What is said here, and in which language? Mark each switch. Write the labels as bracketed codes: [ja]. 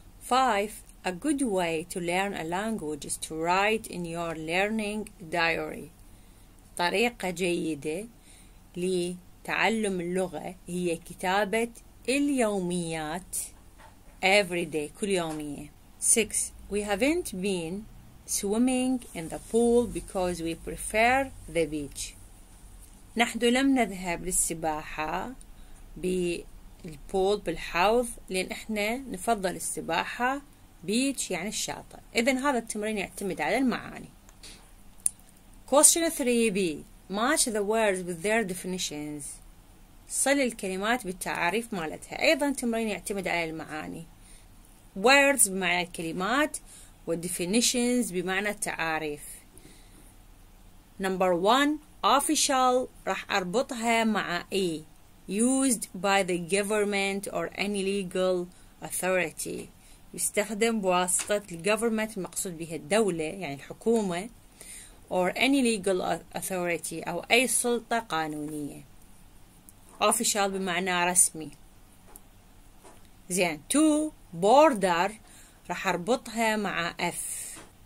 [en] 5. A good way to learn a language is to write in your learning diary. [ar] طريقة جيدة لتعلم اللغة هي كتابة اليوميات [en] every day, [ar] كل يومية. [en] 6. We haven't been swimming in the pool because we prefer the beach. [ar] نحن لم نذهب للسباحة بالبول بالحوض لأن إحنا نفضل السباحة. بيتش يعني الشاطئ. إذن هذا التمرين يعتمد على المعاني. [en] Question 3B. Match the words with their definitions. [ar] صل الكلمات بالتعاريف مالتها. أيضا تمرين يعتمد على المعاني. Words بمعنى الكلمات و definitions بمعنى التعاريف. [en] Number 1. [ar] Official راح أربطها مع E. [en] Used by the government or any legal authority. [ar] يستخدم بواسطة الgovernment المقصود بها الدولة يعني الحكومة [en] or any legal authority [ar] أو أي سلطة قانونية. Official بمعنى رسمي. زين. 2. Border رح أربطها مع F.